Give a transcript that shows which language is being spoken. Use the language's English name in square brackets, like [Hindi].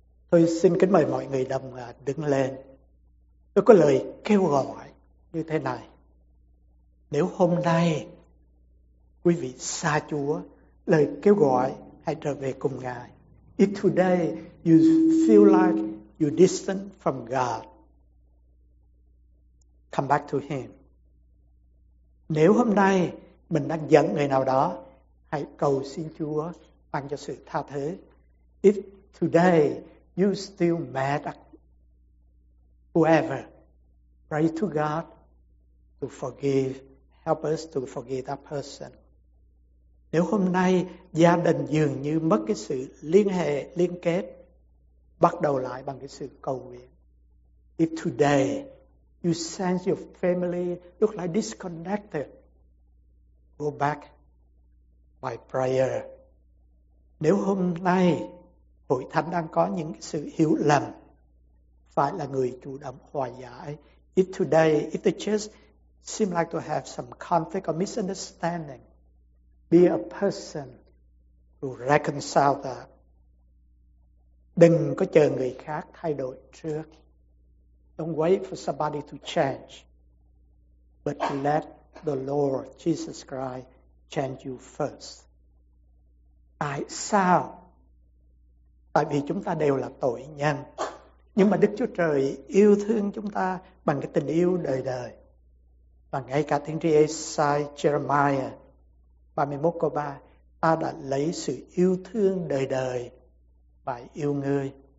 [Vietnamese] Tôi xin kính mời mọi người đồng đứng lên. Tôi có lời kêu gọi như thế này: nếu hôm nay quý vị xa Chúa, lời kêu gọi hãy trở về cùng Ngài. [English] If today you feel like you're distant from God, come back to Him. [Vietnamese] Nếu hôm nay mình đang giận người nào đó, hãy cầu xin Chúa ban cho sự tha thứ. [English] If today you still mad at whoever, pray to God to forgive, help us to forgive that person. [Vietnamese] Nếu hôm nay gia đình dường như mất cái sự liên hệ, liên kết, bắt đầu lại bằng cái sự cầu nguyện. [English] If today you sense your family look like disconnected, go back by prayer. [Vietnamese] Nếu hôm nay hội thánh đang có những sự hiểu lầm, phải là người chủ động hòa giải. [English] If today, if the church seem like to have some conflict or misunderstanding, be a person who reconcile that. [Vietnamese] Đừng có chờ người khác thay đổi trước. [English] Don't wait for somebody to change, but let the Lord Jesus Christ change you first. [Vietnamese] Tại sao? Tại vì chúng ta đều là tội nhân, nhưng mà Đức Chúa Trời yêu thương chúng ta bằng cái tình yêu đời đời. Và ngay cả Thiên Tri Esai Jeremiah 31 câu 3: ta đã lấy sự yêu thương đời đời và yêu ngươi.